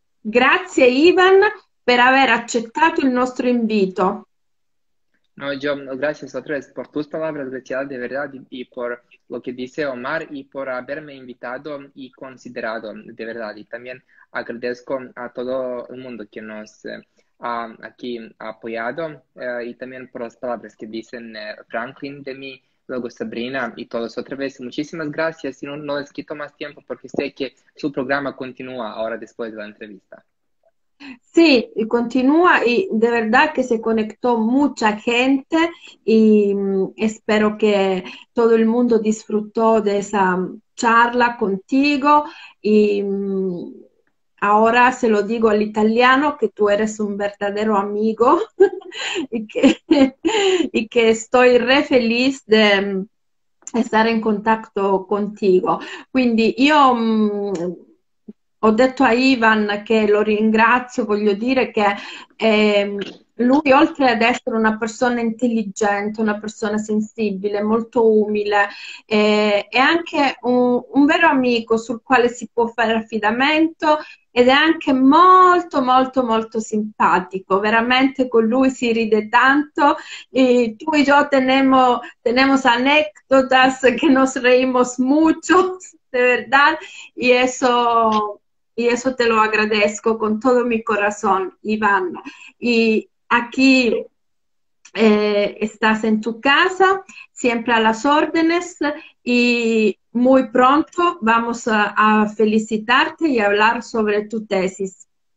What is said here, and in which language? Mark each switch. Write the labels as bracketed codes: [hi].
[it] Grazie Ivan per aver accettato il nostro invito. [es] No, yo, gracias otra vez por tus palabras, Graciela, de verdad, y por lo que dice Omar, y por haberme invitado y considerado, de verdad. Y también agradezco a todo el mundo que nos ha aquí apoyado, y también por las palabras que dicen Franklin de mí, luego Sabrina y todos otra vez. Muchísimas gracias, y no les quito más tiempo porque sé que su programa continúa ahora después de la entrevista. Sí, y continúa y de verdad que se conectó mucha gente y espero que todo el mundo disfrutó de esa charla contigo y ahora se lo digo [it] all'italiano che [es] tu eres un verdadero amigo y que estoy re feliz de estar en contacto contigo. [it] Quindi io ho detto a Ivan che lo ringrazio, voglio dire che lui, oltre ad essere una persona intelligente, una persona sensibile, molto umile, è anche un vero amico sul quale si può fare affidamento ed è anche molto, molto, molto simpatico. Veramente con lui si ride tanto. E tu e io [es] tenemos anécdotas [it] che [es] nos reímos mucho, de verdad, y eso te lo agradezco con todo mi corazón, Iván. Y aquí estás en tu casa, siempre a las órdenes, y muy pronto vamos a felicitarte y hablar sobre tu tesis.